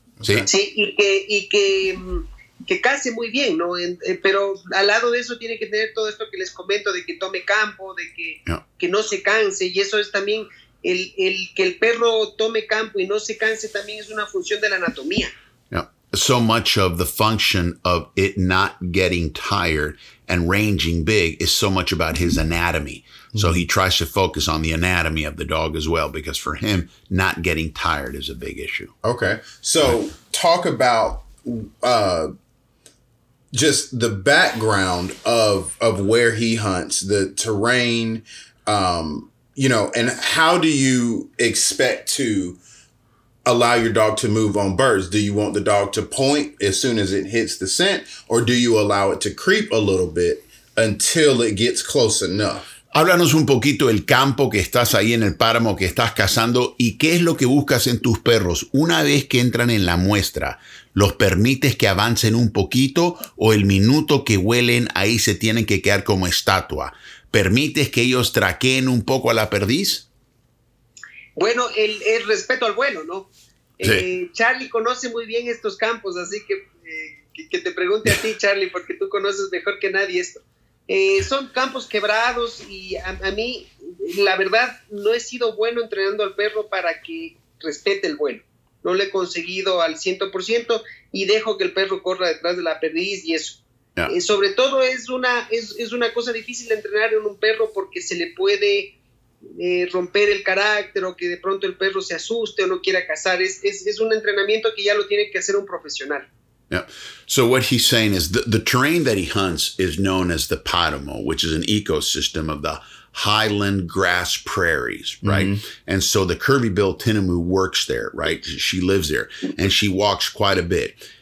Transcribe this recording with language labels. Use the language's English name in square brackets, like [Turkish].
[Spanish] Sí. Sí, y que case muy bien, ¿no? Pero al lado de eso tiene que tener todo esto que les comento, de que tome campo, de que no se canse, y eso es también el que el perro tome campo y no se canse también es una función de la anatomía. [English] Yeah. So much of the function of it not getting tired and ranging big is so much about his anatomy. So he tries to focus on the anatomy of the dog as well, because for him, not getting tired is a big issue. Okay. So talk about just the background of where he hunts, the terrain, you know, and how do you expect to allow your dog to move on birds? Do you want the dog to point as soon as it hits the scent, or do you allow it to creep a little bit until it gets close enough? [Spanish] Háblanos un poquito del campo que estás ahí en el páramo que estás cazando y qué es lo que buscas en tus perros. Una vez que entran en la muestra, ¿los permites que avancen un poquito o el minuto que huelen ahí se tienen que quedar como estatua? ¿Permites que ellos traqueen un poco a la perdiz? Bueno, el respeto al vuelo, ¿no? Sí. Charlie conoce muy bien estos campos, así que te pregunte a ti, Charlie, porque tú conoces mejor que nadie esto. Son campos quebrados y a mí, la verdad, no he sido bueno entrenando al perro para que respete el vuelo. No lo he conseguido al 100% y dejo que el perro corra detrás de la perdiz y eso. [English] Yeah. [Spanish] Sobre todo es una cosa difícil de entrenar en un perro porque se le puede romper el carácter o que de pronto el perro se asuste o no quiera cazar. Es un entrenamiento que ya lo tiene que hacer un profesional. [English] Yeah. So what he's saying is the terrain that he hunts is known as the páramo, which is an ecosystem of the highland grass prairies, right? Mm-hmm. And so the Kirby-billed tinamou works there, right? She lives there and she walks quite a bit.